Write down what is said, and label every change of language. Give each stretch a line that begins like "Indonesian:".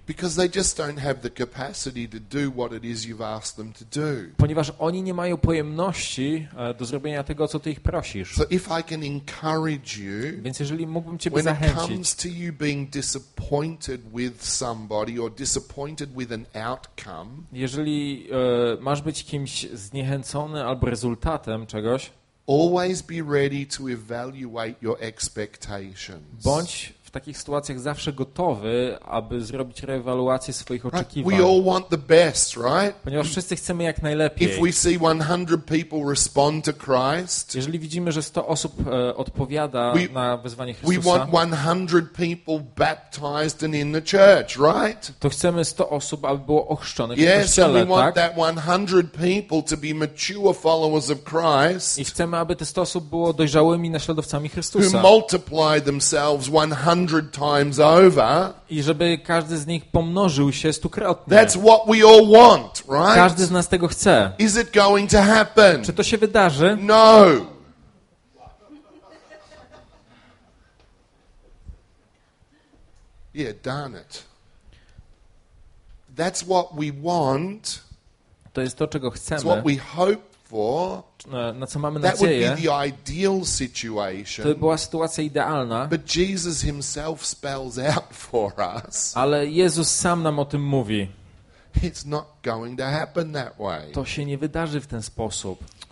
English: Because they just don't have the capacity to do what it is you've asked them to do.
Polish: Ponieważ oni nie mają pojemności do zrobienia tego, co ty ich prosisz.
English: So if I can encourage you,
Polish: więc jeżeli mógłbym ciebie zachęcić,
English: when it comes to you being disappointed with somebody or disappointed with an outcome,
Polish: jeżeli masz być kimś zniechęcony albo rezultatem czegoś,
English: always be ready to evaluate your expectations.
Polish: Bądź w takich sytuacjach zawsze gotowy, aby zrobić reewaluację swoich oczekiwań.
English: We all want the best, right?
Polish: Ponieważ wszyscy chcemy jak najlepiej.
English: If we see 100 people respond to Christ,
Polish: jeżeli widzimy, że 100 osób odpowiada na wezwanie Chrystusa,
English: we want 100 people baptized and in the church, right?
Polish: To chcemy 100 osób, aby było ochrzczonych w kościele, tak?
English: Yes, we want that 100 people to be mature followers of Christ.
Polish: I chcemy, aby te 100 osób było dojrzałymi naśladowcami Chrystusa.
English: Who multiply themselves 100 times over.
Polish: I żeby każdy z nich pomnożył się 100-krotnie.
English: That's what we all want, right?
Polish: Każdy z nas tego chce.
English: Is it going to happen?
Polish: Czy to się wydarzy?
English: No. Yeah, darn it. That's what we want.
Polish: To jest to, czego chcemy.
English: What we hope for.
Polish: Na co mamy nadzieję,
English: that would be the ideal situation,
Polish: to by była sytuacja idealna,
English: but Jesus himself spells out for us,
Polish: ale Jezus sam nam o tym mówi.
English: It's not going to happen that way.
Polish: To się nie wydarzy w ten sposób.